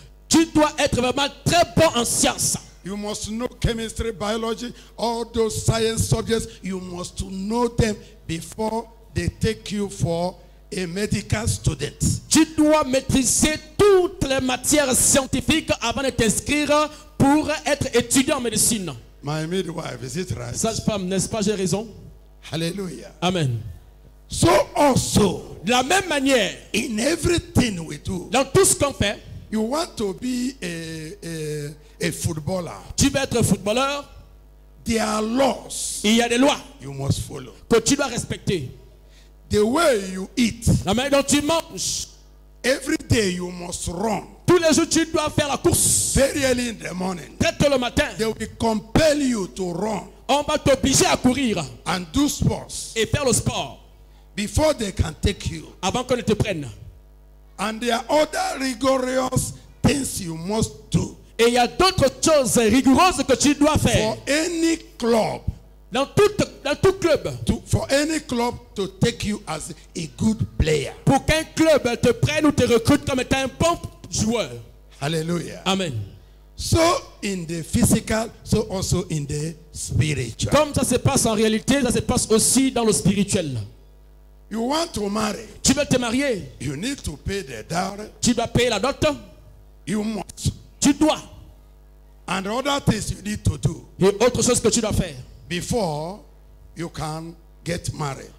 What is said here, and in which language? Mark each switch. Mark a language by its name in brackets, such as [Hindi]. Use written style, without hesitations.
[French] Tu dois être vraiment très bon en science. [English] You must know chemistry, biology, all those science subjects. You must know them before they take you for a medical student. [French] Tu dois maîtriser toutes les matières scientifiques avant de t'inscrire pour être étudiant en médecine. [English] My midwife, is it right? [French] Sage-femme, n'est-ce pas, j'ai raison? [English] Hallelujah. Amen. So also, [French] de la même manière, [English] in everything we do, [French] dans tout ce qu'on fait, [English] you want to be a footballer. [French] Tu veux être footballeur? [English] There are laws. [French] Il y a des lois. [English] You must follow. [French] Que tu dois respecter. [English] The way you eat. [French] La manière dont tu manges. [English] Every day you must run. [French] Tous les jours tu dois faire la course. [English] Very early in the morning. [French] Très tôt le matin. [English] They will compel you to run. [French] On va t'obliger à courir. [English] And do sports. [French] Et faire le sport. [English] Before they can take you. [French] Avant qu'on ne te prenne. [English] And there are other rigorous things you must do. [French] Et il y a d'autres choses rigoureuses que tu dois faire. [English] For any club, [French] dans tout club. [English] To, for any club to take you as a good player. [French] Pour qu'un club te prenne ou te recrute comme étant un bon joueur. [English] Hallelujah. Amen. So in the physical, so also in the spiritual. [French] Comme ça se passe en réalité, ça se passe aussi dans le spirituel. [English] You want to marry. [French] Tu veux te marier. [English] You need to pay the dowry. [French] Tu dois payer la dot. [English] You must. [French] Tu dois. [English] And other things you need to do. [French] Et autre chose que tu dois faire. [English] Before you can get married.